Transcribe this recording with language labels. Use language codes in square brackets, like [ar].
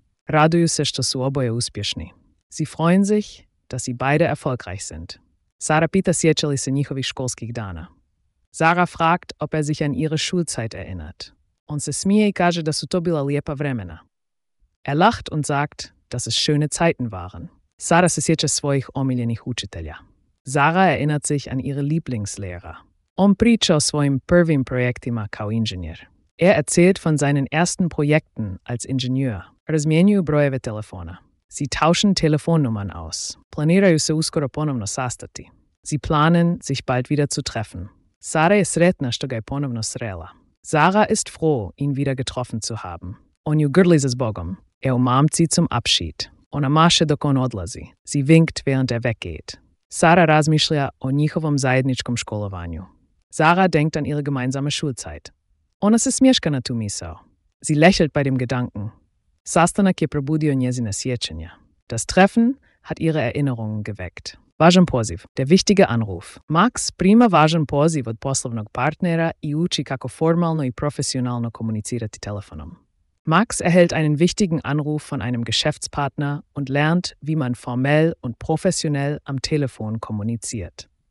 [hr] Raduju se što su oboje uspješni. [de] Sie freuen sich, dass sie beide erfolgreich sind. [hr] Sara pita sjeća li se njihovih školskih dana. [de] Sara fragt, ob er sich an ihre Schulzeit erinnert. [hr] On se smije i kaže da su to bila lijepa vremena. [de] Er lacht und sagt, dass es schöne Zeiten waren. [hr] Sara se sjeća svojih omiljenih učitelja. [de] Sara erinnert sich an ihre Lieblingslehrer. [hr] On priča o svojim prvim projektima kao inženjer. [de] Er erzählt von seinen ersten Projekten als Ingenieur. [hr] Razmjenjuju brojeve telefona. [de] Sie tauschen Telefonnummern aus. [hr] Planiraju se uskoro ponovno sastati. [de] Sie planen, sich bald wieder zu treffen. [hr] Sara je sretna što ga je ponovno srela. [de] Sara ist froh, ihn wieder getroffen zu haben. [hr] On ju grli se zbogom. [de] Er umarmt sie zum Abschied. [hr] Ona maše dok on odlazi. [de] Sie winkt, während er weggeht. [hr] Sara razmišlja o njihovom zajedničkom školovanju. [de] Sara denkt an ihre gemeinsame Schulzeit. [hr] Ona se smješka na tu misao. [de] Sie lächelt bei dem Gedanken. [hr] Sastanak je probudio njezine sjećanja. [de] Das Treffen hat ihre Erinnerungen geweckt. [hr] Važan poziv, [de] der wichtige Anruf. [hr] Max prima važan poziv od poslovnog partnera i uči kako formalno i profesionalno komunicirati telefonom. [de] Max erhält einen wichtigen Anruf von einem Geschäftspartner und lernt, wie man formell und professionell am Telefon kommuniziert.